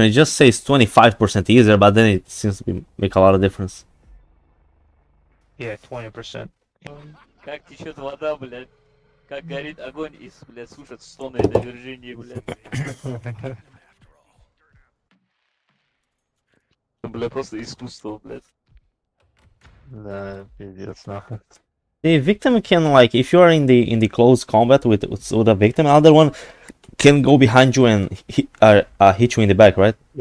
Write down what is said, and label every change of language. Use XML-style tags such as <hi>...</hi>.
<en>It just says 25% easier, but then it seems to be make a lot of difference. Yeah, 20%.</en> <ru>Как течёт вода, блядь. Как горит огонь из, блядь, сушат стоны этой Вирджинии, блядь. Блядь, просто искусство, блядь.</ru> <en>The victim can, like, if you are in the close combat with a victim, another one can go behind you and hit you in the back, right?</en>